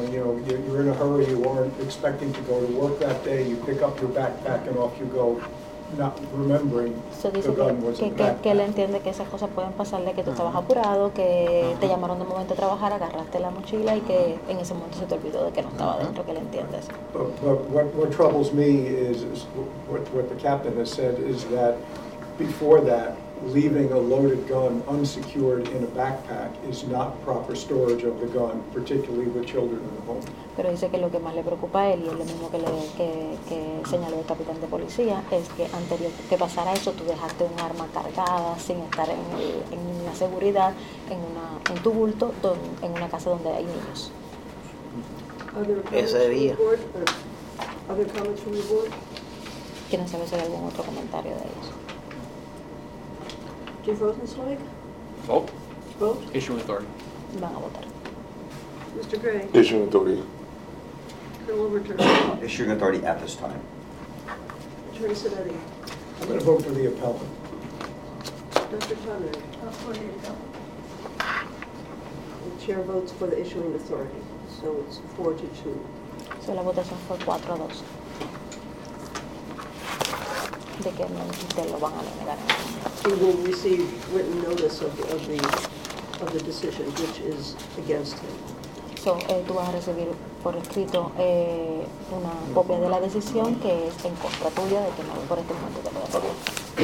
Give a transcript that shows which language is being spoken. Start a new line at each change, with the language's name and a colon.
English: You know, you're in a hurry, you aren't expecting to go to work that day, you pick up your backpack and off you go, not remembering so the gun was in the backpack.
Spanish: Que él entiende que esas cosas pueden pasarle, que tú estabas apurado, que te llamaron de momento a trabajar, agarraste la mochila y que en ese momento se te olvidó de que no estaba dentro, que él entiende eso.
English: But what troubles me is what the captain has said is that before that, leaving a loaded gun unsecured in a backpack is not proper storage of the gun, particularly with children in the home.
Spanish: Pero dice que lo que más le preocupa a él, y es lo mismo que le que señaló el capitán de policía, es que anterior que pasara eso, tú dejaste un arma cargada sin estar en la seguridad en una en tu bulto en una casa donde hay niños. Ese día.
English: Other comments from the board?
Spanish: ¿Quién sabe si hay algún otro comentario de ellos?
English: Rosenzweig? Vote. Vote. Issue authority.
Spanish: Van a votar.
English: Mr. Gray? Issue authority. Mr. Bill overturned. Issuing authority at this time. Attorney Sinetti. I'm going to vote for the appellant. Dr. Conrad. I'll vote for the appellant. The chair votes for the issuing authority, so it's 4-2.
Spanish: So la votación fue 4-2. De que no, de lo van a negar.
English: He will receive written notice of the decision, which is against him.
Spanish: So, tú vas a recibir por escrito una copia de la decisión que es en contra tuya, de que no, por este momento te lo voy a hacer.